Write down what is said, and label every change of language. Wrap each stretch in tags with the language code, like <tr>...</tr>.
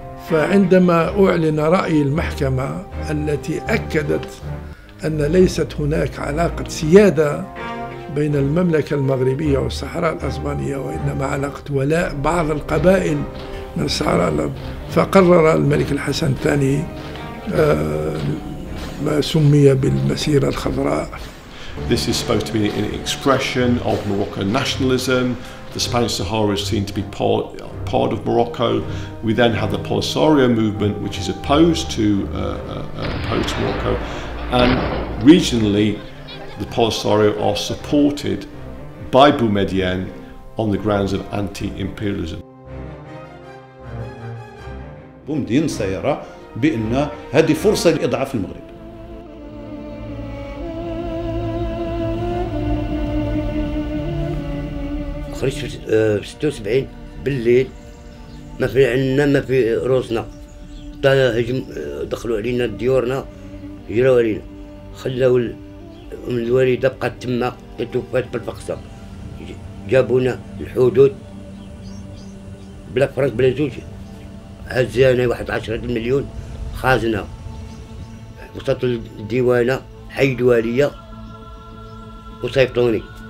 <ar>فعندما أعلن رأي المحكمة التي أكدت أن ليست هناك علاقة سيادة بين المملكة المغربية والصحراء الأسبانية، وإنما علاقة ولاء بعض القبائل من الصحراء، فقرر الملك الحسن الثاني ما سمي بالمسيرة الخضراء.</ar> <en>This is supposed to be an expression of Moroccan nationalism. The Spanish Sahara is seen to be part of Morocco. We then have the Polisario movement, which is opposed to opposed to Morocco. And regionally, the Polisario are supported by Boumediene on the grounds of anti-imperialism.</en> <ar>Boumediene سيرى بأن هذه فرصة لإضعاف المغرب. خرجت في 76 بالليل، ما في عنا ما في روسنا، دخلوا علينا ديورنا، جروا علينا، خلوا الوالدة بقات تما توفات بالفقصة، جابونا الحدود بلا فرنك بلا زوج، هزانا واحد 10 مليون خازنا، وصلت للديوانة حيدوا ليا وصيفطوني.</ar>